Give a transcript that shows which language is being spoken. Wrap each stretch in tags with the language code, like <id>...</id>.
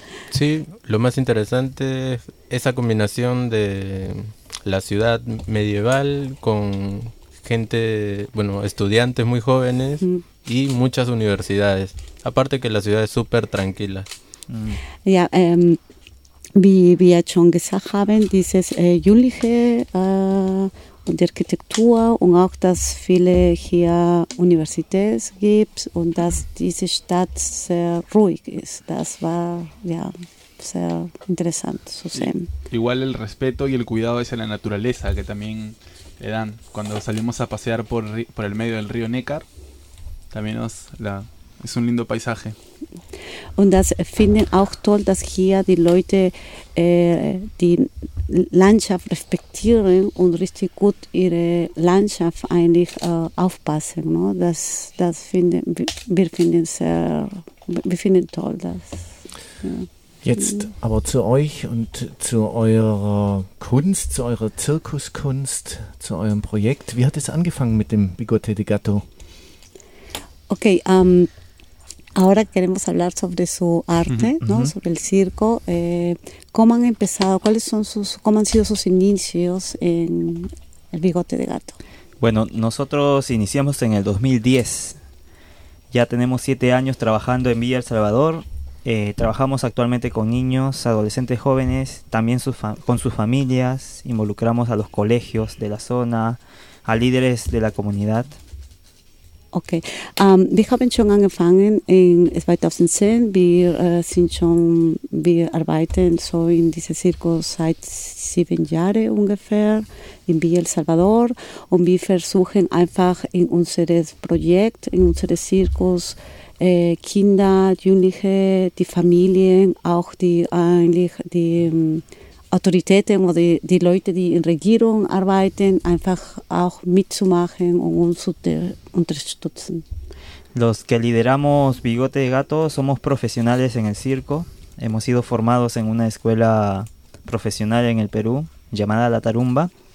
<es>Sí, lo más interesante es esa combinación de la ciudad medieval con gente, bueno, estudiantes muy jóvenes, y muchas universidades. Aparte que la ciudad es súper tranquila.</es> <de>Ya, wie schon gesagt haben, dieses jüngliche und die Architektur und auch, dass viele hier Universitäten gibt und dass diese Stadt sehr ruhig ist. Das war ja sehr interessant zu sehen.</de> <es>Igual el respeto y el cuidado hacia la naturaleza que también le dan. Cuando salimos a pasear por el medio del río Neckar, también nos la es un lindo paisaje.</es> <de>Und das finden auch toll, dass hier die Leute die Landschaft respektieren und richtig gut ihre Landschaft eigentlich aufpassen. No? Das finden wir finden sehr, wir finden toll das. Ja. Jetzt aber zu euch und zu eurer Kunst, zu eurer Zirkuskunst, zu eurem Projekt. Wie hat es angefangen mit dem Bigote de Gato?</de> <es>Okay, ahora queremos hablar sobre su arte, ¿no? Sobre el circo. ¿Cómo han empezado? ¿Cuáles son sus, cómo han sido sus inicios en el bigote de gato? Bueno, nosotros iniciamos en el 2010. Ya tenemos 7 años trabajando en Villa El Salvador. Trabajamos actualmente con niños, adolescentes, jóvenes, también con sus familias. Involucramos a los colegios de la zona, a líderes de la comunidad.</es> <de>Okay, wir haben schon angefangen in 2010. Wir sind schon, wir arbeiten so in diesem Zirkus seit 7 Jahren ungefähr in Villa El Salvador und wir versuchen einfach in unserem Projekt, in unserem Zirkus Kinder, Jugendliche, die Familien, auch die eigentlich die Autoritäten oder die Leute, die in Regierung arbeiten, einfach auch mitzumachen und uns zu unterstützen.</de> <es>Los que lideramos Bigote de Gato somos profesionales en el circo. Hemos sido formados en una escuela profesional en el Perú llamada La Tarumba.</es>